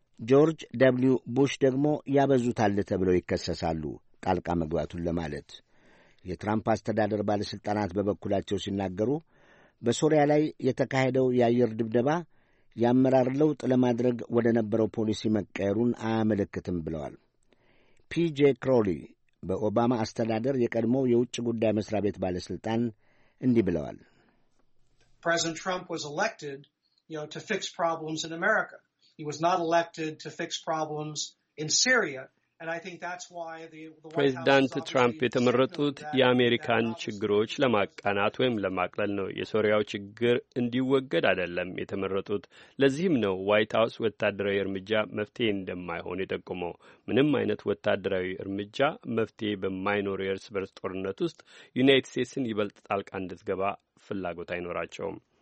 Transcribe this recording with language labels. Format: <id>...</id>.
<am>ጆርጅ ደብሊው ቡሽ ደግሞ ያበዙታል ተብለው ይከሰሳሉ ጣልቃ መግባቱን ለማለት። የትራምፕ አስተዳደር ባለሥልጣናት በበኩላቸው ሲናገሩ በሶሪያ ላይ የተካሄደው የአየር ድብደባ የአመራር ለውጥ ለማድረግ ወደ ነበረው ፖሊሲ መቀየሩን አያመለክትም ብለዋል። ፒጄ ክሮሊ በኦባማ አስተዳደር የቀድሞው የውጭ ጉዳይ መስሪያ ቤት ባለሥልጣን እንዲህ ብለዋል።</am> <en>President Trump was elected, you know, to fix problems in America. He was not elected to fix problems in Syria. And I think that's why the</en> <am>President Trump የተመረጡት የአሜሪካን ችግሮች ለማቃናት ወይም ለማቅለል ነው። የሶሪያው ችግር እንዲወገድ አይደለም የተመረጡት። ለዚህም ነው ዋይት ሃውስ ወታደራዊ እርምጃ መፍትሄ እንደማይሆን የጠቆመው። ምንም አይነት ወታደራዊ እርምጃ መፍትሄ በማይኖር የእርስ በርስ ጦርነት ውስጥ ዩናይትድ ስቴትስን ይበልጥ ጣልቃ እንድትገባ ፍላጎት አይኖራቸውም።</am>